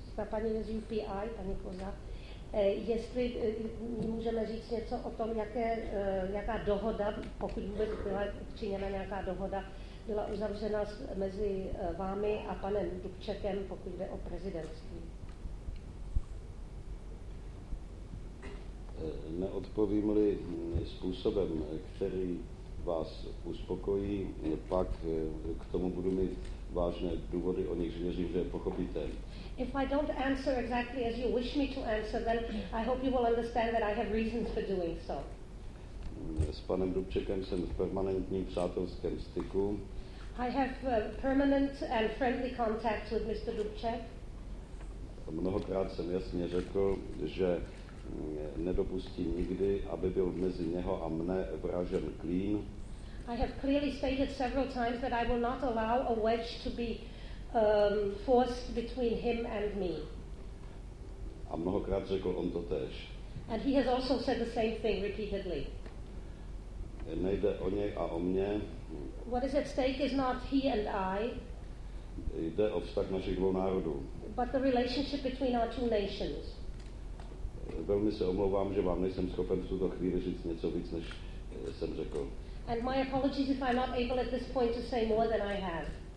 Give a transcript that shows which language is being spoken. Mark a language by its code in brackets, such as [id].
[cs] Paní z UPI, paní Koza, jestli můžeme říct něco o tom, jaká dohoda, pokud vůbec byla činěna nějaká dohoda, byla uzavřena mezi vámi a panem Dubčekem, pokud jde o prezidentství. Neodpovím-li způsobem, který vás uspokojí, pak k tomu budu mít vážné důvody, o nich věřím, že pochopíte. [en] If I don't answer exactly as you wish me to answer, then I hope you will understand that I have reasons for doing so. [cs] S panem Dubčekem jsem v permanentním přátelském styku. [en] I have permanent and friendly contact with Mr. Dubček. [cs] Mnohokrát jsem jasně řekl, že nedopustí nikdy, aby byl mezi něho a mne vražen klín. [en] I have clearly stated several times that I will not allow a wedge to be forced between him and me. [cs] A mnohokrát řekl on to též. [en] And he has also said the same thing repeatedly. [cs] Nejde o něj a o mě. [en] What is at stake is not he and I. [cs] Jde o vztah našich dvou národů. [en] But the relationship between our two nations. [cs] Velmi se omlouvám, že vám nejsem schopen v tuto chvíli říct něco víc, než jsem řekl. [en] And my apologies if I'm not able at this point to say more than I have.